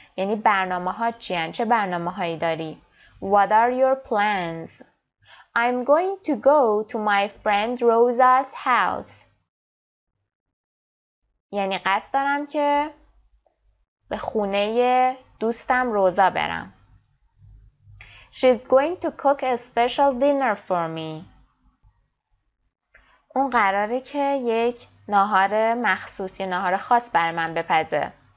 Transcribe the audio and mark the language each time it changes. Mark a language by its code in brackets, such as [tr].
[fa] یعنی برنامه ها چیان؟ چه برنامه هایی داری؟ [en] What are your plans? I'm going to go to my friend Rosa's house. [fa] یعنی قصد دارم که به خونه دوستم روزا برم. [en] She's going to cook a special dinner for me. [fa] اون قراره که یک ناهار مخصوص یا ناهار خاص بر من بپزه.